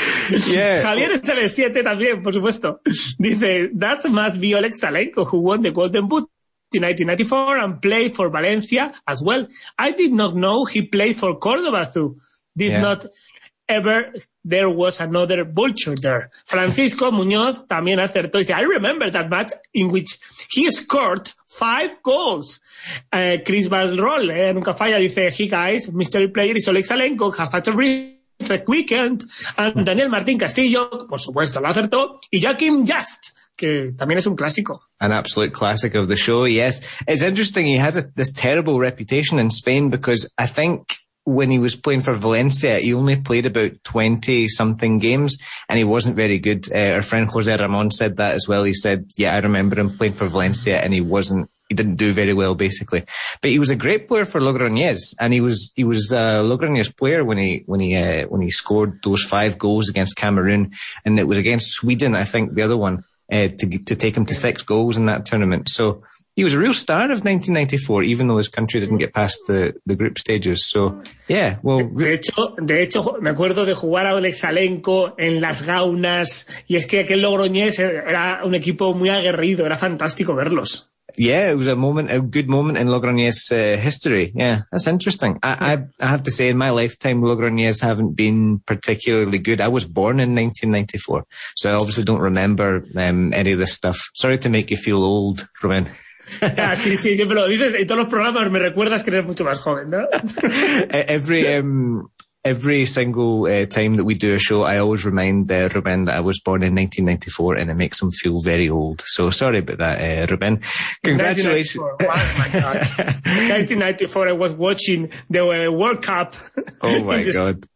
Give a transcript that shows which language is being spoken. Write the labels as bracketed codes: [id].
[es] Javier SL7 también, por supuesto. Dice, [en] that must be Oleg Salenko, who won the Golden Boot in 1994 and played for Valencia as well. I did not know he played for Córdoba too. Did not ever there was another vulture there. [es] Francisco Muñoz también acertó. Dice, [en] I remember that match in which he scored 5 goals. Chris Balroll, [es] nunca falla, dice, [en] hey guys, mystery player is Oleg Salenko, have a terrific weekend. And Daniel Martín Castillo, por supuesto, lo acertó. Y Joaquim Just, que también es un clásico. An absolute classic of the show, yes. It's interesting, he has this terrible reputation in Spain because I think when he was playing for Valencia, he only played about 20-something games, and he wasn't very good. Our friend José Ramón said that as well. He said, yeah, I remember him playing for Valencia, and he didn't do very well, basically. But he was a great player for Logroñés, and he was a Logroñés player when he scored those 5 goals against Cameroon, and it was against Sweden, I think, the other one, to take him to 6 goals in that tournament. So he was a real star of 1994, even though his country didn't get past the group stages. So, yeah, well. [es] De hecho, me acuerdo de jugar a Oleg Salenko en Las Gaunas. Y es que aquel Logroñés era un equipo muy aguerrido. Era fantástico verlos. [en] Yeah, it was a good moment in Logroñés history. Yeah, that's interesting. I have to say, in my lifetime, Logroñés haven't been particularly good. I was born in 1994, so I obviously don't remember any of this stuff. Sorry to make you feel old, Ruben. [es] sí, siempre lo dices. En todos los programas me recuerdas que eres mucho más joven, ¿no? [en] Every single time that we do a show, I always remind Ruben that I was born in 1994, and it makes him feel very old. So sorry about that, Ruben. Congratulations. 1994. Wow, my God. 1994, I was watching the World Cup. Oh, my God.